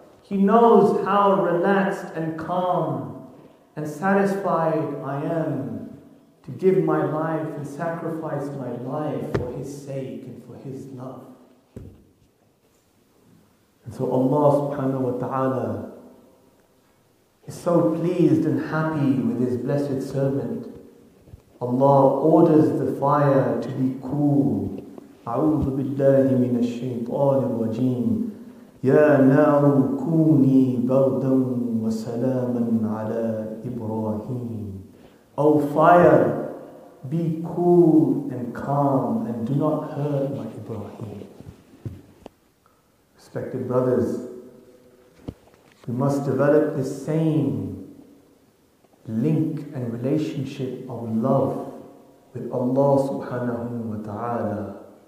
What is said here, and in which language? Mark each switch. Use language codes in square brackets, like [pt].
[en] He knows how relaxed and calm and satisfied I am to give my life and sacrifice my life for his sake and for his love. And so Allah subhanahu wa ta'ala is so pleased and happy with his blessed servant. Allah orders the fire to be cool. [ar] أعوذ بالله من الشيطان الرجيم يا نار كوني بردا وسلاما على إبراهيم. [en] O fire, be cool and calm and do not hurt my Ibrahim. Respected brothers, we must develop the same link and relationship of love with Allah subhanahu wa ta'ala.